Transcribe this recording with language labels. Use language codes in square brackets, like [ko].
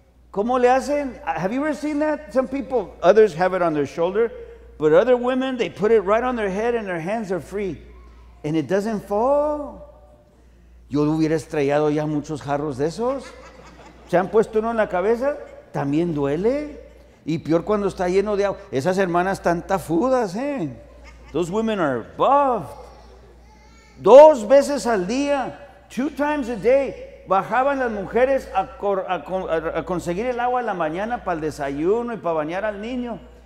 [es] ¿Cómo le hacen? [en] Have you ever seen that? Some people, others have it on their shoulder, but other women, they put it right on their head and their hands are free. And it doesn't fall. [es] Yo hubiera estrellado ya muchos jarros de esos. ¿Se han puesto uno en la cabeza? También duele. Y peor cuando está lleno de agua. Esas hermanas están tafudas, ¿eh? [en] Those women are buffed. [es] Dos veces al día, [en] two times a day, [es] bajaban las mujeres a conseguir el agua en la mañana para el desayuno y para bañar al niño.